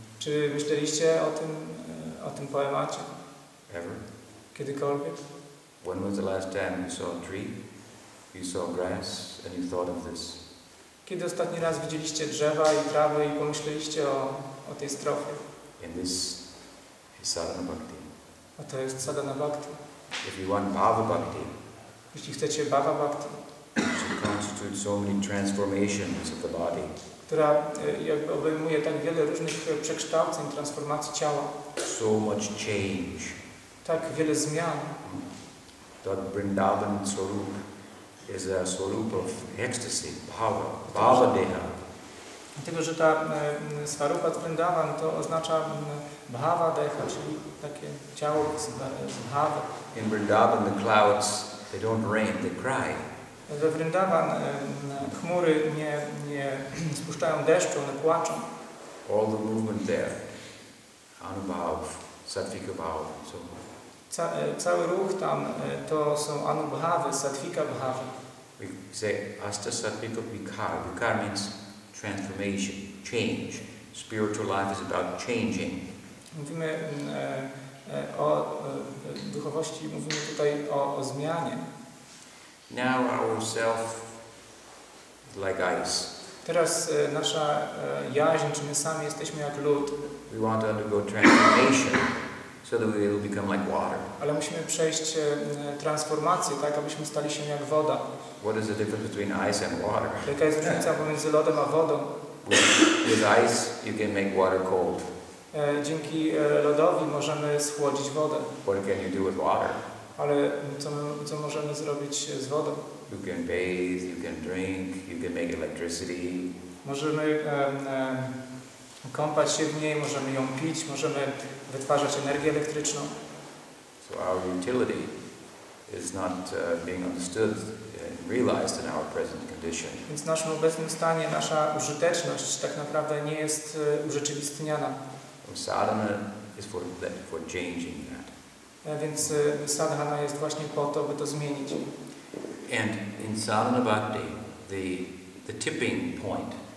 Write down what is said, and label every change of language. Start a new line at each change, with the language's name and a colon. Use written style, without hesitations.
Polish: Czy myśleliście o tym poemacie?
English: Ever?
Polish: Kiedykolwiek?
English: When was the last time you saw a tree, you saw grass, and you thought of this?
Polish: Kiedy ostatni raz widzieliście drzewa i trawy i pomyśleliście o tej strofie?
English: In this is sadhana bhakti.
Polish: A to jest sadhana bhakti.
English: If you want bhava bhakti.
Polish: Jeśli chcecie bhava bhakti.
English: Which constitutes so many transformations of the body.
Polish: Która jakby obejmuje tak wiele różnych przekształceń, transformacji ciała.
English: So much change.
Polish: Tak wiele zmian.
English: That Vrindavan Swarup is a Swarup of ecstasy, bhava, bhava deha.
Polish: Dlatego, że ta Swarupa Vrindavan to oznacza bhava deha, czyli takie ciało z bhava.
English: In Vrindavan the clouds, they don't rain, they cry.
Polish: We Vrindavan chmury nie spuszczają deszczu, one płaczą.
English: All the movement there, anubhav, sattvika bhav, so
Polish: cały ruch tam to są anubhavy, sattvika bhavy.
English: We say asta sattvika vikara. Vikara means transformation, change. Spiritual life is about changing.
Polish: Mówimy o duchowości, mówimy tutaj o zmianie.
English: Now our self like ice.
Polish: Teraz nasza jaźń, czy my sami jesteśmy jak lód.
English: We want to undergo transformation so that we will become like water.
Polish: Ale musimy przejść transformację, tak abyśmy stali się jak woda.
English: What is the difference between ice and water?
Polish: Jaka jest różnica pomiędzy lodem a wodą?
English: With ice you can make water cold.
Polish: Dzięki lodowi możemy schłodzić wodę.
English: What can you do with water?
Polish: Ale co możemy zrobić z wodą?
English: You can bathe, you can drink, you can make electricity.
Polish: Możemy kąpać się w niej, możemy ją pić, możemy wytwarzać energię elektryczną.
English: So our utility is not being understood and realized in our present condition.
Polish: Więc w naszym obecnym stanie nasza użyteczność tak naprawdę nie jest urzeczywistniana.
English: Sadhana is for changing that.
Polish: Więc sadhana jest właśnie po to, by to zmienić.
English: And in sadhana bhakti, the tipping point.